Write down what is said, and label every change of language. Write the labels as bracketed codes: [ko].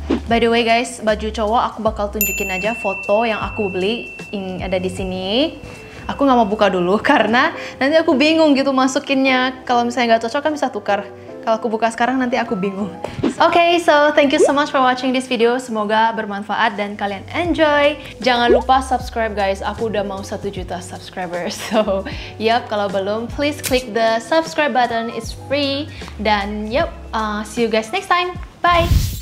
[id] By the way guys, baju cowok aku bakal tunjukin aja foto yang aku beli yang ada di sini. Aku nggak mau buka dulu karena nanti aku bingung gitu masukinnya. Kalau misalnya nggak cocok kan bisa tukar. Kalau aku buka sekarang nanti aku bingung. [en] Okay, so thank you so much for watching this video. [id] Semoga bermanfaat dan kalian enjoy. Jangan lupa subscribe guys. Aku udah mau 1 juta subscribers. [en] So, yep, [id] kalau belum [en] please click the subscribe button. It's free. Dan yep, see you guys next time. Bye.